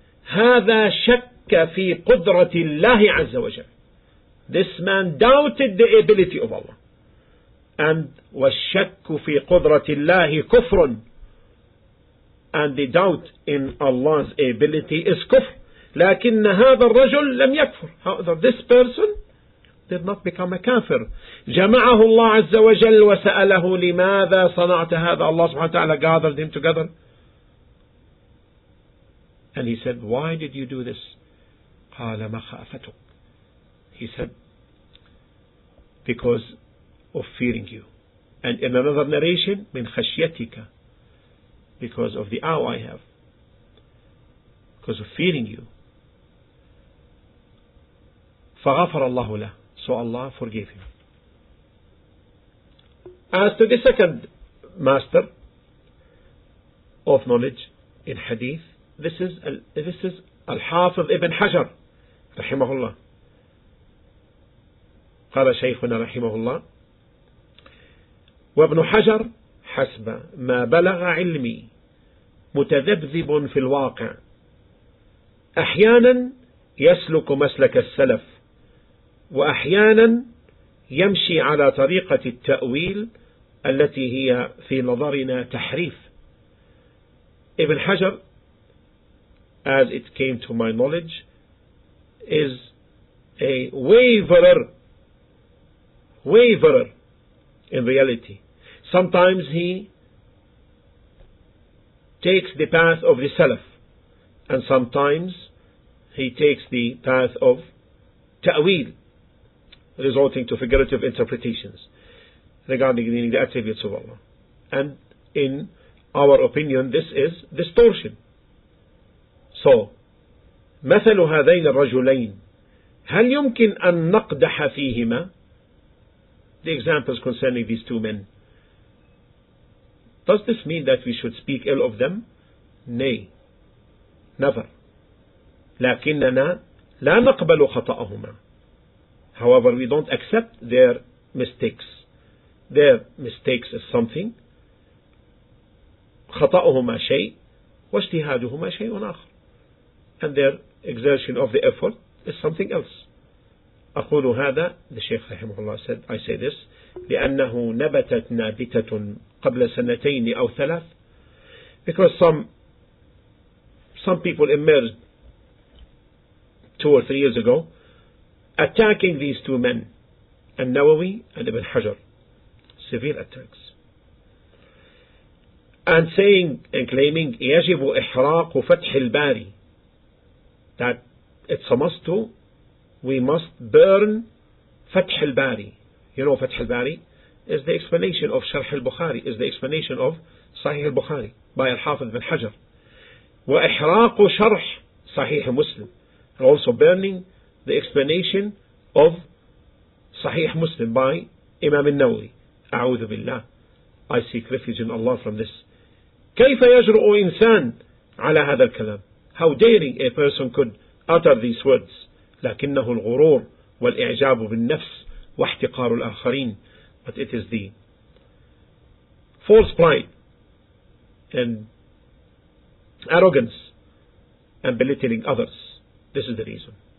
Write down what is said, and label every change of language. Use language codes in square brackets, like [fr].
[ar] هذا شك في قدرة الله عز وجل. [en] This man doubted the ability of Allah. [ar] And والشك في قدرة الله كفر. [en] And the doubt in Allah's ability is كفر. [ar] لكن هذا الرجل لم يكفر. [en] However, this person did not become a kafir. [ar] جمعه الله عز وجل وسأله لماذا صنعت هذا. [en] Allah [ar] سبحانه وتعالى [en] gathered him together and he said, why did you do this? [ar] قال مخافتك. [en] He said, because of fearing you. And in another narration, [ar] من خشيتك, [en] because of the awe I have, because of fearing you. [ar] فغفر الله له. [en] So Allah forgave him. As to the second master of knowledge in hadith, this is Al-Hafidh Ibn Hajar rahimahullah. [ar] قال شيخنا رحمه الله وابن حجر حسب ما بلغ علمي متذبذب في الواقع أحيانا يسلك مسلك السلف وأحيانا يمشي على طريقة التأويل التي هي في نظرنا تحريف. [en] Ibn Hajar, as it came to my knowledge, is a waverer in reality. Sometimes he takes the path of the Salaf and sometimes he takes the path of تأويل, resorting to figurative interpretations regarding the attributes of Allah. And in our opinion, this is distortion. [ar] So, مثل هذين الرجلين هل يمكن أن نقدح فيهما. [en] The examples concerning these two men. Does this mean that we should speak ill of them? Nay, never. [ar] لكننا لا نقبل خطأهما. [en] However, we don't accept their mistakes. Their mistakes is something. [ar] خطأهما شيء واجتهادهما شيء آخر. [en] And their exertion of the effort is something else. [ar] أقول هذا, [en] the Shaykh [ar] رحمه الله [en] said, I say this, [ar] لأنه نبتت نابتة قبل سنتين أو ثلاث. [en] Because some people emerged 2 or 3 years ago attacking these two men النووي and Ibn Hajar. Severe attacks. And saying and claiming [ar] يجب إحراق فتح الباري, [en] that it's a must to, we must burn فتح الباري. You know فتح الباري is the explanation of شرح البخاري, is the explanation of صحيح البخاري by الحافظ بن حجر. [ar] وإحراق شرح صحيح مسلم, [en] and also burning the explanation of صحيح مسلم by إمام النووي. [ar] أعوذ بالله, [en] I seek refuge in Allah from this. [ar] كيف يجرؤ إنسان على هذا الكلام, [en] how daring a person could utter these words. [ar] لكنه الغرور والإعجاب بالنفس واحتقار الآخرين, [en] but it is the false pride and arrogance and belittling others. This is the reason.